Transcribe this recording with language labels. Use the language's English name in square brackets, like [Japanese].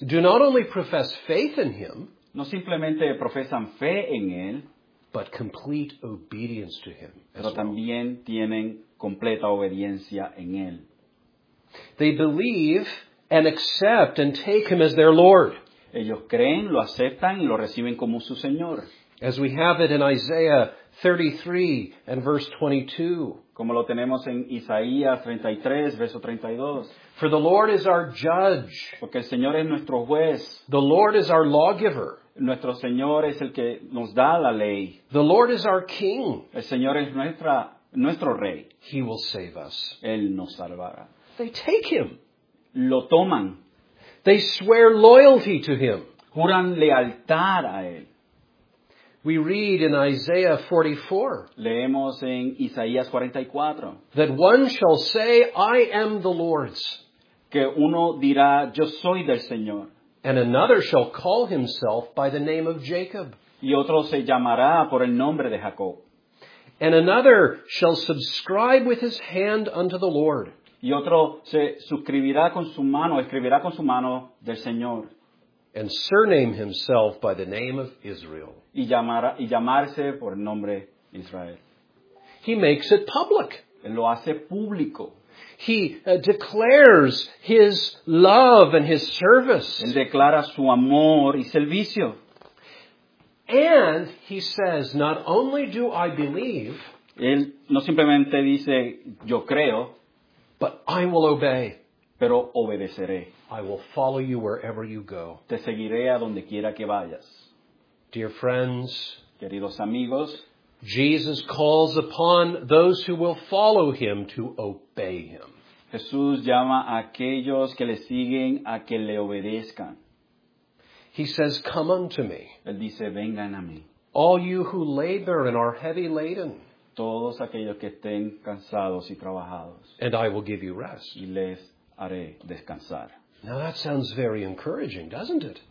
[English] do not only profess faith in him, [Spanish] no simplemente profesan fe en él, [English] but complete obedience to him. [Spanish] Pero también tienen completa obediencia en él. [English] They believe and accept and take him as their Lord. [Spanish] Ellos creen, lo aceptan y lo reciben como su Señor. [English] As we have it in Isaiah 33 and verse 22. [Spanish] Como lo tenemos en Isaías 33, verso 32. [English] For the Lord is our judge. [Spanish] Porque el Señor es nuestro juez. [English] The Lord is our lawgiver. [Spanish] Nuestro Señor es el que nos da la ley. [English] The Lord is our king. [Spanish] El Señor es nuestro rey. [English] He will save us. [Spanish] Él nos salvará. [English] They take him. [Spanish] Lo toman. [English] They swear loyalty to him. [Spanish] Juran lealtad a él. [English] We read in Isaiah 44, [Spanish] leemos en Isaías 44, [English] that one shall say, I am the Lord's, [Spanish] que uno dirá, yo soy del Señor, [English] and another shall call himself by the name of Jacob, [Spanish] y otro se llamará por el nombre de Jacob, [English] and another shall subscribe with his hand unto the Lord, [Spanish] y otro se suscribirá con su mano, escribirá con su mano del Señor, [English] and surname himself by the name of Israel. [Spanish] Y llamarse por el nombre Israel. [English] He makes it public. [Spanish] Él lo hace público. [English] He declares his love and his service. [Spanish] Él declara su amor y servicio. [English] And he says, not only do I believe, [Spanish] él no simplemente dice, yo creo, [English] but I will obey. [Spanish] Pero obedeceré. [English] I will follow you wherever you go. [Spanish] Te seguiré a donde quiera que vayas. [English] Dear friends, [Spanish] queridos amigos, [English] Jesus calls upon those who will follow him to obey him. [Spanish] Jesús llama a aquellos que le siguen a que le obedezcan. [English] He says, come unto me. [Spanish] Él dice, vengan a mí. [English] All you who labor and are heavy laden. [Spanish] Todos aquellos que estén cansados y trabajados. [English] And I will give you rest. [Spanish] Y les haré descansar. [English] Now that sounds very encouraging, doesn't it?